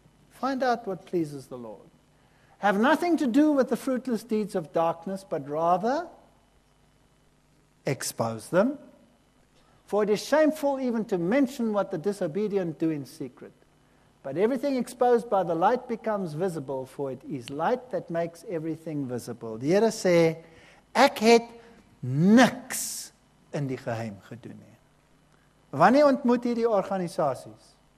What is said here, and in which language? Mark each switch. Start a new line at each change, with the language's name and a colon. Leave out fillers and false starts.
English: Find out what pleases the Lord. Have nothing to do with the fruitless deeds of darkness, but rather expose them. For it is shameful even to mention what the disobedient do in secret. But everything exposed by the light becomes visible, for it is light that makes everything visible.
Afrikaans: Die Here sê, ek het niks in die geheim gedoen nie. Wanneer ontmoet hierdie organisasies?